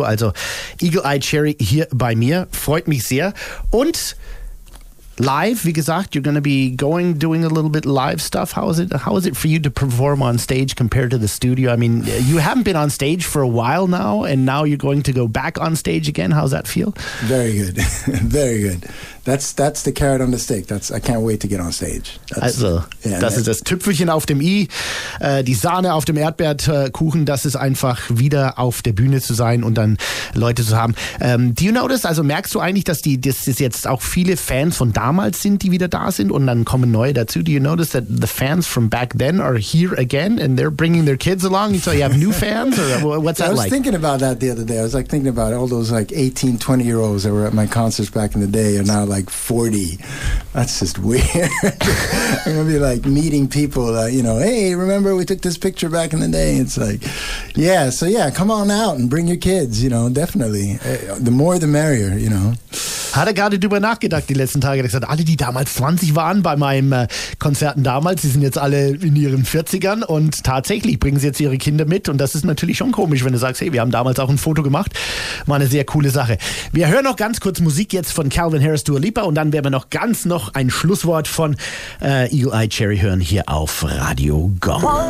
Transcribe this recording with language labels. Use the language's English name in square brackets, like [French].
[German] Also Eagle Eye Cherry hier bei mir, freut mich sehr. Und [English] live, [German] wie gesagt, [English] you're going to be going, doing a little bit live stuff. How is it for you to perform on stage compared to the studio? I mean, you haven't been on stage for a while now, and now you're going to go back on stage again. How's that feel? Very good. Very good. That's the carrot on the stick. I can't wait to get on stage. [German] Ist das Tüpfelchen auf dem I, die Sahne auf dem Erdbeerkuchen, das ist einfach wieder auf der Bühne zu sein und dann Leute zu haben. [English] Do you notice, [German] also merkst du eigentlich, dass das jetzt auch viele Fans von damals sind, die wieder da sind und dann kommen neue dazu? [English] Do you notice that the fans from back then are here again and they're bringing their kids along? So you have new fans or what's that like? I was thinking about that the other day. I was like thinking about all those like 18, 20-year-olds that were at my concerts back in the day and now like 40. That's just weird. I'm going to be like meeting people that, you know, hey, remember we took this picture back in the day? It's like, yeah, so yeah, come on out and bring your kids, you know, definitely. The more the merrier, you know. [German] Hat er gerade drüber nachgedacht die letzten Tage? Er hat gesagt, alle, die damals 20 waren bei meinem Konzerten damals, die sind jetzt alle in ihren 40ern und tatsächlich bringen sie jetzt ihre Kinder mit. Und das ist natürlich schon komisch, wenn du sagst, hey, wir haben damals auch ein Foto gemacht. War eine sehr coole Sache. Wir hören noch ganz kurz Musik jetzt von Calvin Harris, Dua Lipa und dann werden wir noch ein Schlusswort von Eagle Eye Cherry hören hier auf Radio Gong.